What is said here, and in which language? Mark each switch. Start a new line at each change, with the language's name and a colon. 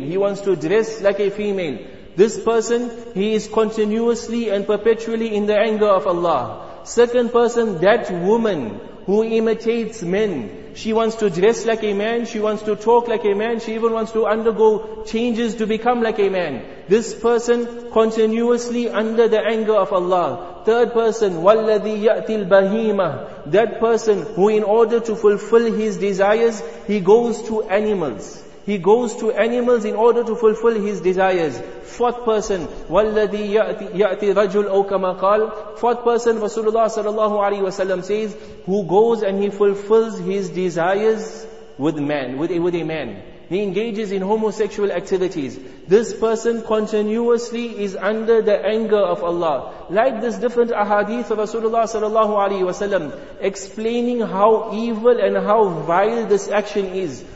English: He wants to dress like a female. This person, he is continuously and perpetually in the anger of Allah. Second person, that woman who imitates men. She wants to dress like a man, she wants to talk like a man, she even wants to undergo changes to become like a man. This person continuously under the anger of Allah. Third person,
Arabic: وَالَّذِي يَأْتِي الْبَهِيمَةِ.
English: That person who in order to fulfill his desires, he goes to animals. He goes to animals in order to fulfill his desires. Fourth person,
Arabic: وَالَّذِي يَأْتِي رَجُلْ أَوْ كَمَا قَالْ.
English: Fourth person, Rasulullah sallallahu alayhi wa sallam says, who goes and he fulfills his desires with a man. He engages in homosexual activities. This person continuously is under the anger of Allah. Like this different ahadith of Rasulullah sallallahu alayhi wa sallam, explaining how evil and how vile this action is.